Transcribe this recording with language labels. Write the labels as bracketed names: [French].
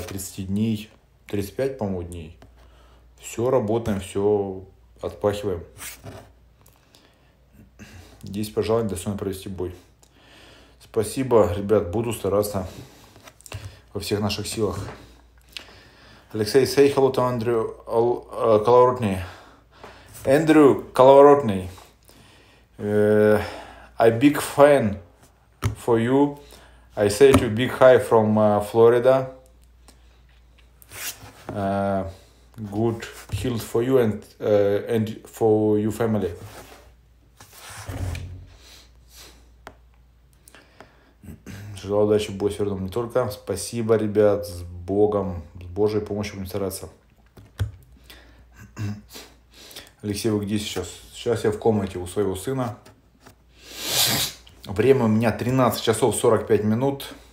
[Russian] 30 дней, 35, по-моему, дней. Все работаем, все отпахиваем. Есть пожелание достойно провести бой. Спасибо, ребят, буду стараться во всех наших силах. [English] Алексей, say hello to Andrew Коловоротный. Andrew Коловоротный, I big fan for you. I say to you big hi from Florida. Good health for you and for your family. [Russian] Желаю удачи, бой с Вердумом не только. Спасибо, ребят, с Богом, с Божьей помощью будем стараться. Алексей, вы где сейчас? Сейчас я в комнате у своего сына. Время у меня 13 часов 45 минут.